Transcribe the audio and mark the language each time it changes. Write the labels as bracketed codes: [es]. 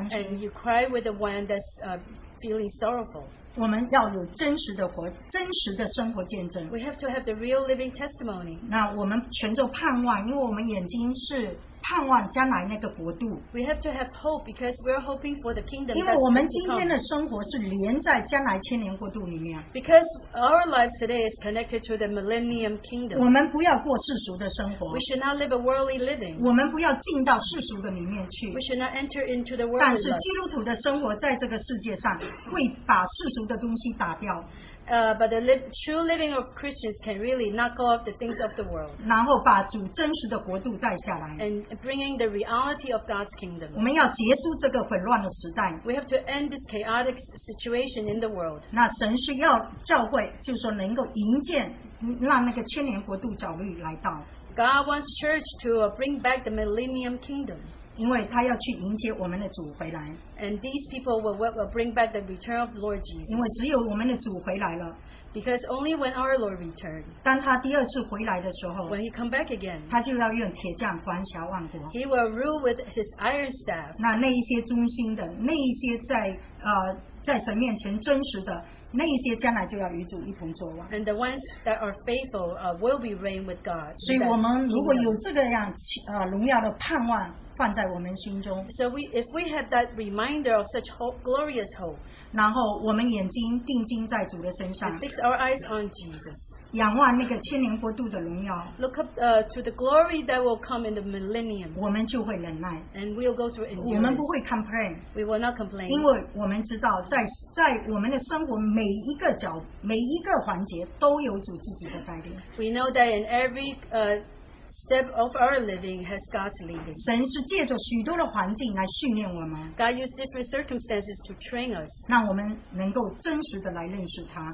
[en] And you cry with the one that's feeling sorrowful. [zh] 我们要有真实的活，真实的生活见证。 [en] We have to have the real living testimony. [zh] 那我们存着盼望，因为我们眼睛是盼望将来那个国度。 [en] We have to have hope because we're hoping for the kingdom. [zh] 因为我们今天的生活是连在将来千年国度里面。 [en] Because our lives today is connected to the millennium kingdom. [zh] 我们不要过世俗的生活。 [en] We should not live a worldly living. [zh] 我们不要进到世俗的里面去。 [en] We should not enter into the worldly. [zh] 但是基督徒的生活在这个世界上会把世俗的东西打掉。 [en] But the true living of Christians can really knock off the things of the world. [zh] 然后把主真实的国度带下来。 [en] And bringing the reality of God's kingdom. [zh] 我们要结束这个混乱的时代。 [en] We have to end this chaotic situation in the world. [zh] 那神是要教会，就是说能够迎接，让那个千年国度早日来到。 [en] God wants church to bring back the millennium kingdom. [zh] 因为他要去迎接我们的主回来。 [en] And these people will bring back the return of Lord Jesus. [zh] 因为只有我们的主回来了。 [en] Because only when our Lord returned, [zh] 当他第二次回来的时候, [en] when he come back again, [zh] 他就要用铁杖管辖万国。 [en] He will rule with his iron staff. [zh] 那一些忠心的，那一些在在神面前真实的，那一些将来就要与主一同作王。 [en] And the ones that are faithful will be reigned with God. [zh] 所以我们如果有这个样荣耀的盼望放在我们心中。 [en] So if we have that reminder of such hope, glorious hope. [zh] 然后我们眼睛定睛在主的身上。 [en] And fix our eyes on Jesus. [zh] 仰望那个千年国度的荣耀。 [en] Look up to the glory that will come in the millennium. [zh] 我们就会忍耐。 [en] And we'll go through endurance. [zh] 我们不会 complain. [en] We will not complain. [zh] 因为我们知道在我们的生活每一个角每一个环节都有主自己的带领。 [en] We know that in every step of our living has God's leading. [zh] 神是借着许多的环境来训练我们。 [en] God used different circumstances to train us. [zh] 让我们能够真实的来认识他。